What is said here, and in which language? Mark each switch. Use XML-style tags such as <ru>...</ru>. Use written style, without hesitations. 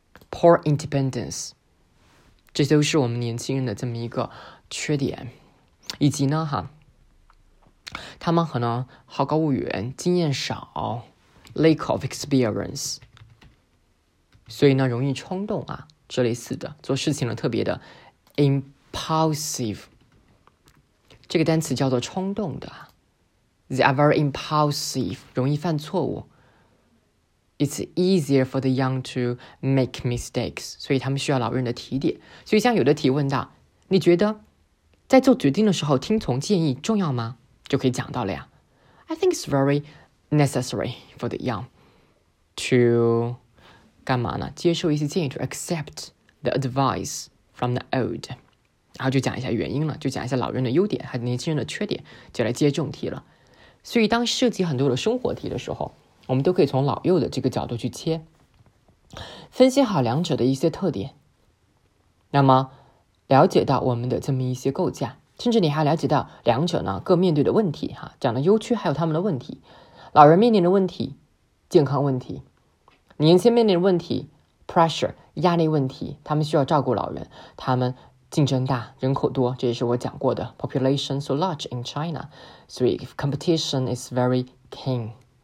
<en>poor independence，</en> <zh>这都是我们年轻人的这么一个缺点，以及呢哈，他们可能好高骛远，经验少 ，</zh> <en>lack of experience，</en> <zh>所以呢容易冲动啊，这类似的，做事情呢特别的 impulsive， 这个单词叫做冲动的 ，</zh> <en>they are very impulsive，</en> <zh>容易犯错误。</zh> <en>It's easier for the young to make mistakes，</en> <zh>所以他们需要老人的提点。所以像有的提问到，你觉得在做决定的时候听从建议重要吗？就可以讲到了呀。</zh> <en>I think it's very necessary for the young to</en> <zh>干嘛呢？接受一些建议</zh> <en>，to accept the advice from the old。</en> <zh>然后就讲一下原因了，就讲一下老人的优点和年轻人的缺点，就来接重题了。所以当涉及很多的生活题的时候，我们都可以从老幼的这个角度去切，分析好两者的一些特点，那么了解到我们的这么一些构架，甚至你还了解到两者呢各面对的问题哈，讲的优缺还有他们的问题，老人面临的问题健康问题，年轻面临的问题 pressure 压力问题，他们需要照顾老人，他们竞争大，人口多，这也是我讲过的</zh> <en>population so large in China，</en> <zh>所以</zh> <en>competition is very keen。</en>